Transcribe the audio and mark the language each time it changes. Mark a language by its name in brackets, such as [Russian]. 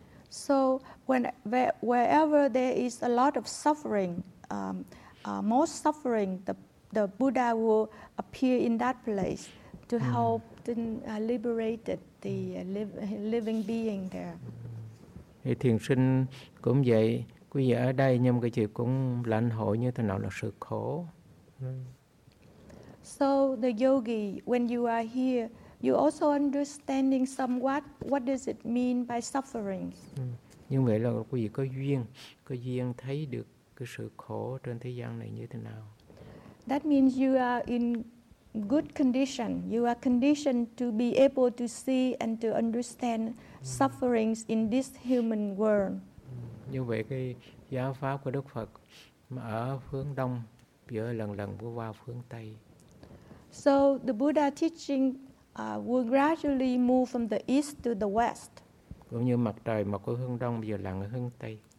[English] So wherever there is a lot of suffering, most suffering, the Buddha will appear in that place to help liberate the living being there. [Vietnamese] Thì thiền sinh cũng vậy, quý vị ở đây nhưng cái gì cũng lãnh hội như thế nào là sự khổ. [English] So the yogi, when you are here, you also understanding somewhat what does it mean by suffering. [Vietnamese] Nhưng vậy là quý vị có duyên thấy được cái sự khổ trên thế gian này như thế nào. [English] That means you are in good condition. You are conditioned to be able to see and to understand sufferings in this human world. [Vietnamese] Như vậy cái giáo pháp của Đức Phật mà ở phương Đông, giờ lần vừa qua phương Tây. [English] So the Buddha teaching will gradually move from the east to the west. [Vietnamese] Cũng như mặt trời mọc ở hướng Đông, giờ lặn ở hướng Tây.